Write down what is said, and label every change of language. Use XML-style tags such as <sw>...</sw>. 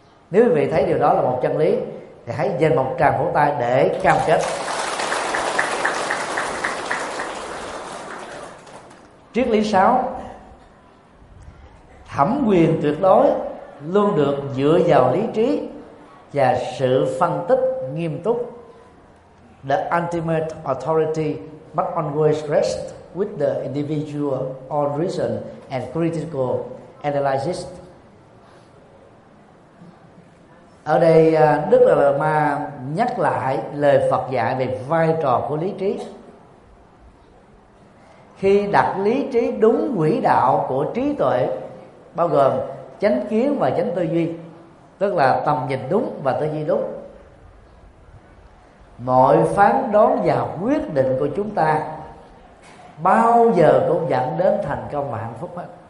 <vi>Nếu quý vị thấy điều đó là một chân lý thì hãy dành một tràng vỗ tay để cam kết. Triết lý 6: thẩm quyền tuyệt đối luôn được dựa vào lý trí và sự phân tích nghiêm túc.</vi> <en>The ultimate authority must always rest with the individual on reason and critical analysis.</en> <vi>Ở đây Đức Lạt Lama nhắc lại lời Phật dạy về vai trò của lý trí. Khi đặt lý trí đúng quỹ đạo của trí tuệ, bao gồm chánh kiến và chánh tư duy, tức là tầm nhìn đúng và tư duy đúng, mọi phán đoán và quyết định của chúng ta bao giờ cũng dẫn đến thành công và hạnh phúc hết.</vi>